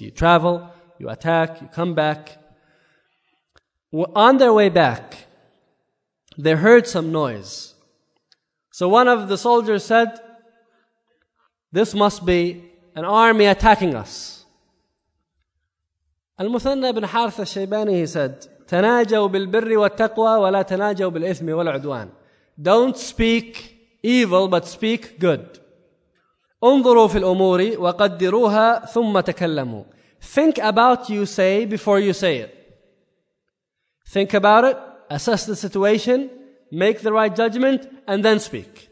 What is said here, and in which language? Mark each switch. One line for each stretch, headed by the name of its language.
English: You travel, you attack, you come back. On their way back, they heard some noise. So one of the soldiers said, this must be an army attacking us.
Arabic: Al-Muthanna ibn Harith al-Shaybani,
English: he said,
Arabic: تَنَاجَوْا بِالْبِرِّ وَالتَّقْوَى وَلَا تَنَاجَوْا بِالْإِثْمِ وَالْعُدْوَانِ.
English: Don't speak evil, but speak good.
Arabic: أُنظُرُوا فِي الْأُمُورِ وَقَدِّرُوهَا ثُمَّ تَكَلَّمُوا.
English: Think about you say before you say it. Think about it. Assess the situation, make the right judgment, and then speak.